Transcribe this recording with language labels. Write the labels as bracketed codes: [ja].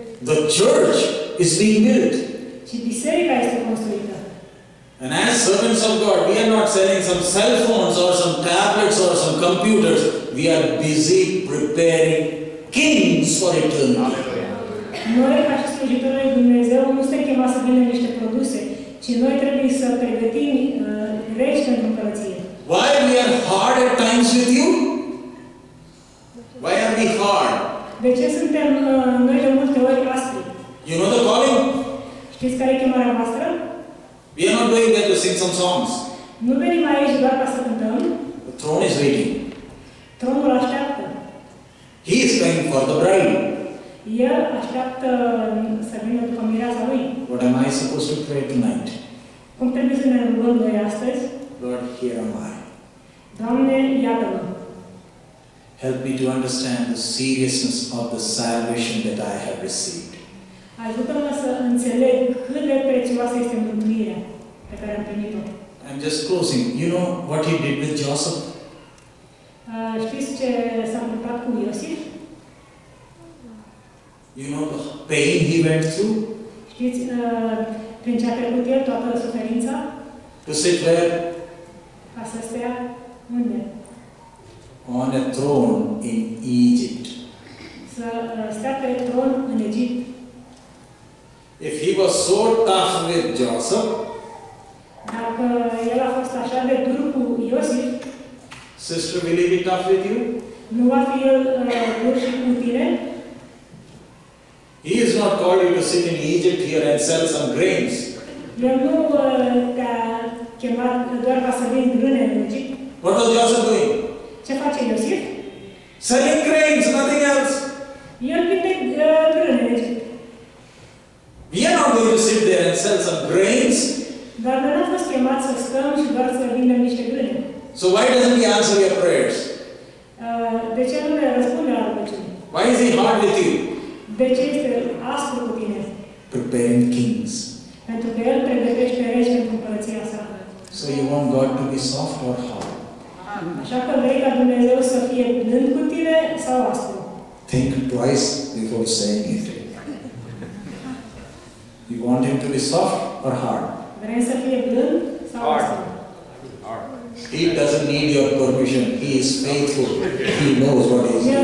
[en] the church is being built. [ro] Ci biserica este construită. [en] And as servants of God, we are not selling some cell phones or some tablets or some computers. We are busy preparing kings for eternity. [ro] Noi, ca și slujitorii Dumnezeu, nu suntem chemați să vină niște produse, ci noi trebuie să pregătim reci pentru împărăție. [en] Why we are hard at times with you? Why are we hard? [ro] De ce suntem noi de multe ori aspri? [en] You know the calling? [ro] Știți care e chemarea voastră? [en] We are not going there to sing some songs. [ro] Nu venim aici doar ca să cântăm. [en] The throne is waiting. [ro] Tronul așteaptă. [en] He is coming for the bride. [ro] El așteaptă să vină după mireasa lui. [en] What am I supposed to pray tonight? [ro] Cum trebuie să ne rugăm noi astăzi? [en] Lord, here am I. [ro] Doamne, iată-mă. [en] Help me to understand the seriousness of the salvation that I have received. [ro] Ajută-mă să înțeleg cât de prețioasă este mântuirea pe care am primit-o. [en] I'm just closing. You know what he did with Joseph? [ro] Știți ce s-a întâmplat cu Iosif? [en] You know the pain he went through? [ro] Știți prin ce a trecut el toată suferința? [en] To sit where? [ro] Ca să stea unde? [en] On a throne in Egypt. [ro] Să stea pe tron în Egipt. [en] If he was so tough with Joseph, [ro] dacă el a fost așa de dur cu Iosif, [en] sister, will he be tough with you? [ro] Nu va fi el dur și cu tine? [en] He is not called you to sit in Egypt here and sell some grains. [ro] El nu te-a chemat doar ca să vin grâne în Egipt. [en] What was Joseph doing? [ro] Ce face Iosif? [en] Selling grains, nothing else. [ro] El vinde grâne în Egipt. [en] We are not going to sit there and sell some grains. [ro] Dar noi n-am fost chemați să stăm și doar să vindem niște grâne. [en] So why doesn't he answer your prayers? [ro] De ce nu ne răspunde la rugăciune? [en] Why is he hard with you? [ro] De ce este aspru cu tine? [en] Preparing kings. [ro] Pentru că el pregătește regi pentru împărăția sa. [en] So you want God to be soft or hard? [ro] Așa că vrei ca Dumnezeu să fie blând cu tine sau aspru? [en] Think twice before saying it. You want him to be soft or hard? [ro] Vrei să fie blând sau [en] hard? He doesn't need your permission. He is faithful. He knows what he is doing.